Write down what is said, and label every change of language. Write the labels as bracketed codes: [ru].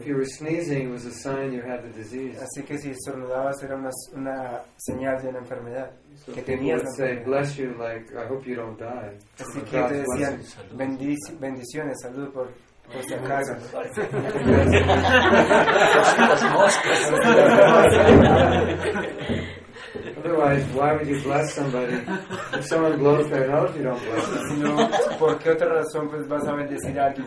[en] If you were sneezing, it was a sign you had the disease. [es] Así que si estornudabas era una señal de una enfermedad. [en] So people would say, "Bless you," like I hope you don't die. [es] Así que te decían bendiciones, salud por. [en] Otherwise, why would you bless somebody? If someone blows their nose, you don't bless them. [es] No, ¿por qué otra razón pues vas a bendecir a alguien?